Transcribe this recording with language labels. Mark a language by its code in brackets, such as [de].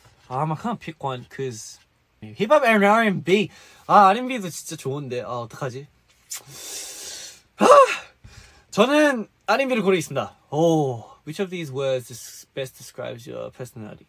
[en] I can't pick one because hip hop and R&B. [ko] R&B도 진짜 좋은데 어떡하지? 저는 R&B를 고르겠습니다. [en] Oh, which of these words best describes your personality?